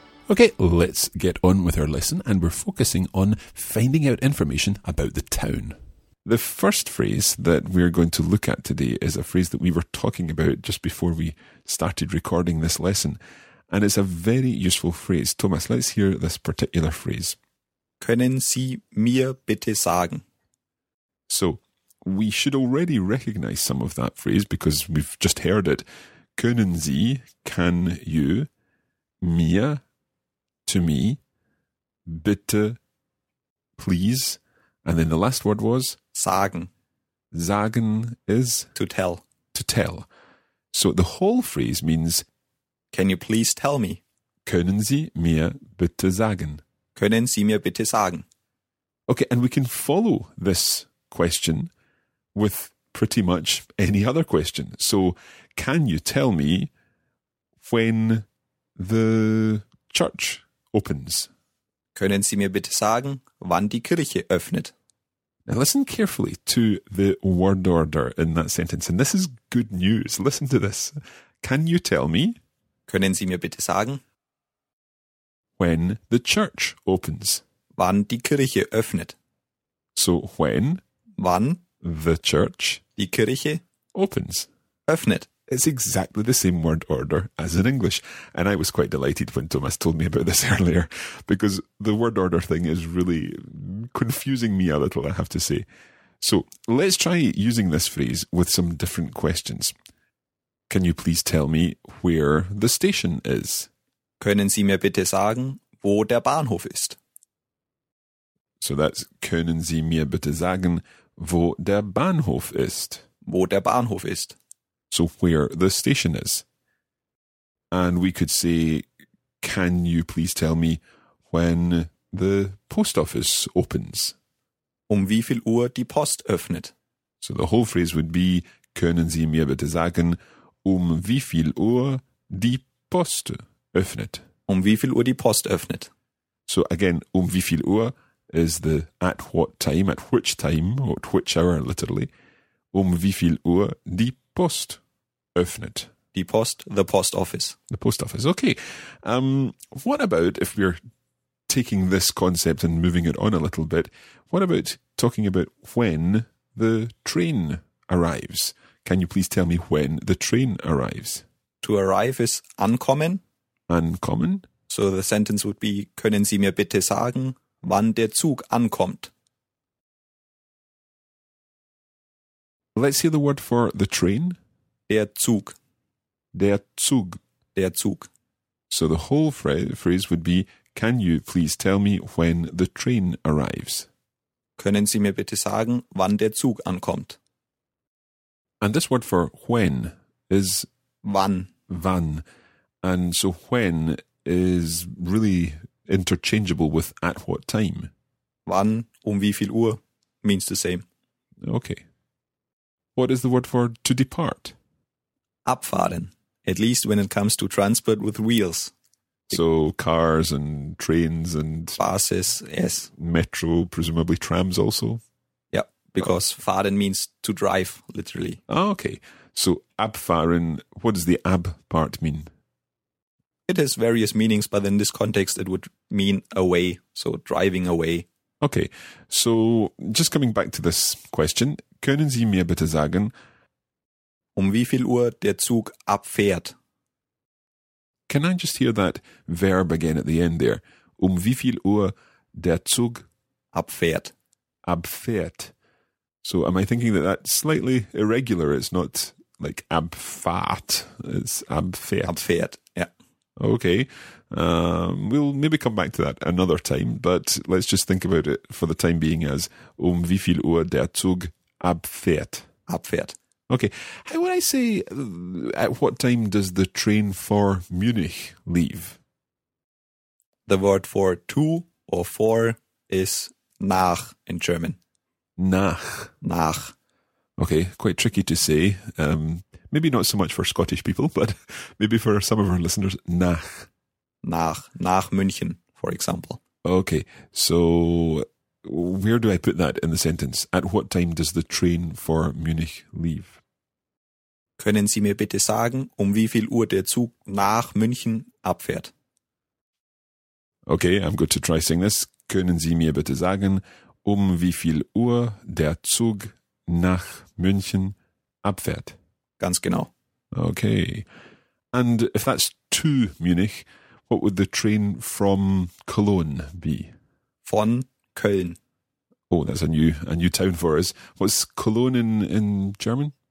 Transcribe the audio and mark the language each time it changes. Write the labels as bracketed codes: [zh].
[en] Okay, let's get on with our lesson, and we're focusing on finding out information about the town. The first phrase that we're going to look at today is a phrase that we were talking about just before we started recording this lesson, and it's a very useful phrase. Thomas, let's hear this particular phrase. [de] Können Sie mir bitte sagen? [en] So, we should already recognize some of that phrase because we've just heard it. [de] Können Sie, [en] can you, [de] mir, [en] to me, [de] bitte, [en] please. And then the last word was? [de] Sagen. [en] Sagen is? To tell. To tell. So the whole phrase means? Can you please tell me? [de] Können Sie mir bitte sagen? Können Sie mir bitte sagen? [en] Okay, and we can follow this question with pretty much any other question. So can you tell me when the church opens? [de] Können Sie mir bitte sagen, wann die Kirche öffnet? [en] Now listen carefully to the word order in that sentence. And this is good news. Listen to this. Can you tell me? [de] Können Sie mir bitte sagen? [en] When the church opens. [de] Wann die Kirche öffnet. [en] So when? [de] Wann? [en] The church. [de] Die Kirche. [en] Opens. [de] Öffnet. [en] It's exactly the same word order as in English. And I was quite delighted when Thomas told me about this earlier, because the word order thing is really confusing me a little, I have to say. So let's try using this phrase with some different questions. Can you please tell me where the station is? [de] Können Sie mir bitte sagen, wo der Bahnhof ist? [en] So that's [de] Können Sie mir bitte sagen, wo der Bahnhof ist? Wo der Bahnhof ist. [en] So where the station is. And we could say, can you please tell me when the post office opens? [de] Wie viel Uhr die Post öffnet? [en] So the whole phrase would be, [de] können Sie mir bitte sagen, wie viel Uhr die Post öffnet? Wie viel Uhr die Post öffnet? [en] So again, [de] wie viel Uhr [en] is the at what time, at which time, or at which hour, literally. [de] Wie viel Uhr die Post öffnet. Die Post, [en] the post office. The post office, okay. What about if we're taking this concept and moving it on a little bit, what about talking about when the train arrives? Can you please tell me when the train arrives? To arrive is ankommen. [de] Ankommen. [en] So the sentence would be, [de] können Sie mir bitte sagen, wann der Zug ankommt? [en] Let's hear the word for the train. [de] Der Zug. Der Zug. Der Zug. [en] So the whole phrase would be, can you please tell me when the train arrives? [de] Können Sie mir bitte sagen, wann der Zug ankommt? [en] And this word for when is? [de] Wann. Wann. [en] And so when is really interchangeable with at what time. [de] Wann, wie viel Uhr [en] means the same. Okay. What is the word for to depart? Abfahren, at least when it comes to transport with wheels. So cars and trains and... buses, yes. Metro, presumably trams also. Yeah, because fahren means to drive, literally. Oh, okay. So abfahren, what does the ab part mean? It has various meanings, but in this context it would mean away, so driving away. Okay, so just coming back to this question, [de] können Sie mir bitte sagen... wie viel Uhr der Zug abfährt? [en] Can I just hear that verb again at the end there? [de] Wie viel Uhr der Zug abfährt? Abfährt. [en] So am I thinking that that's slightly irregular? It's not like abfahrt, it's abfährt. [de] Abfährt, yeah. [en] Okay. We'll maybe come back to that another time, but let's just think about it for the time being as um [de] wie viel Uhr der Zug abfährt. Abfährt. [en] Okay. How would I say, at what time does the train for Munich leave? The word for to or for is nach in German. [de] Nach. Nach. [en] Okay, quite tricky to say. Maybe not so much for Scottish people, but maybe for some of our listeners, nach. [de] Nach. Nach München, for example. [en] Okay, so where do I put that in the sentence? At what time does the train for Munich leave? [de] Können Sie mir bitte sagen, um wie viel Uhr der Zug nach München abfährt? [en] Okay, I'm going to try saying this. [de] Können Sie mir bitte sagen, um wie viel Uhr der Zug nach München abfährt? Ganz genau. [en] Okay. And if that's to Munich, what would the train from Cologne be? [de] Von Köln. [en] Oh, that's a new town for us. What's Cologne in German?